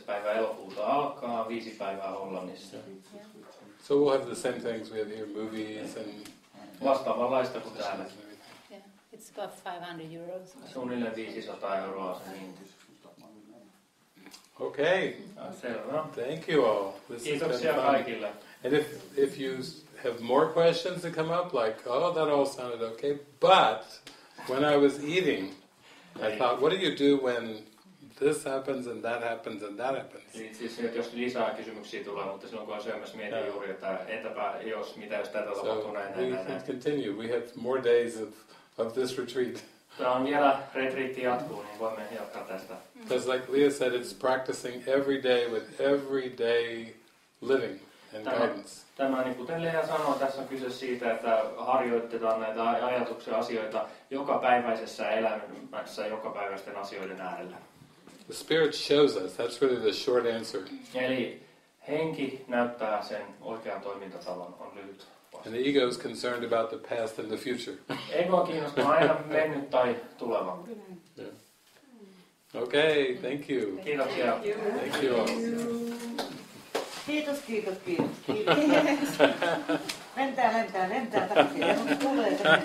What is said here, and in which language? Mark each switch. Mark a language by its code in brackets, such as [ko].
[fi] päivä elokuuta alkaa, 5 päivää Hollannissa. [en] Yeah. So we'll have the same things we have here, movies and [fi] vastaavanlaista kuin täällä. [en] Yeah, it's about 500 euros. [fi] Suunnilleen 500 euroa. [en] Okay. [fi] Selvä. [en] Thank you all. [fi] Kiitoksia kaikille. [en] And if you have more questions that come up, like, oh, that all sounded okay, but when I was eating, I thought, what do you do when this happens and that happens and that happens? [fi] Jos lisää kysymyksiä tulee, mutta silloin kun on syömässä, mietin juuri, että entäpä jos, mitä jos tätä tapahtuu näin. [en] So we can continue. We have more days of this retreat. [fi] Tämä on vielä retriitti jatkuu, niin voimme jatkaa tästä. [en] Because like Leah said, it's practicing every day with everyday living and guidance. [fi] Tämä, niin kuten Leah sanoi, tässä on kyse siitä, että harjoitetaan näitä ajatuksia asioita jokapäiväisessä elämässä, jokapäiväisten asioiden äärellä. [en] The Spirit shows us. That's really the short answer. [fi] Eli henki näyttää sen oikean toimintatavan, on lyhyt. [en] And the ego is concerned about the past and the future. [fi] Ego kiinnostaa aina mennyt tai tuleva. [en] Okay, thank you. [fi] Kiitoksia. [en] Thank you. Thank you. [fi] Kiitos. Lentää, lentää, lentää. Tämä on kuulee.